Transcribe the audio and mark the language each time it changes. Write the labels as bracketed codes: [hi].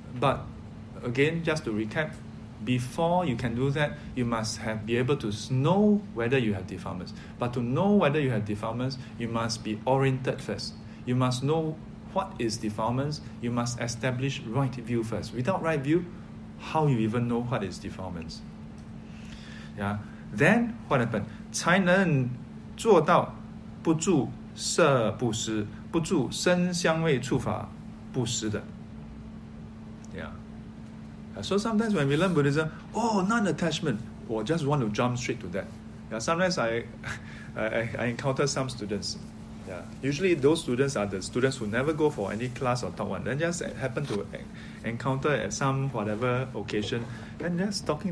[en] But again, just to recap, before you can do that, you must have be able to know whether you have defilements. But to know whether you have defilements, you must be oriented first. You must know what is defilements. You must establish right view first. Without right view, how you even know what is defilements? Yeah. Then what happened? [zh] 才能做到不住 色不施，不住身香味触法不施的。 [en] Yeah. So sometimes when we learn Buddhism, oh, non-attachment, or just want to jump straight to that. Yeah. Sometimes I encounter some students. Yeah. Usually those students are the students who never go for any class or talk one. Then just happen to encounter at some whatever occasion, and just talking.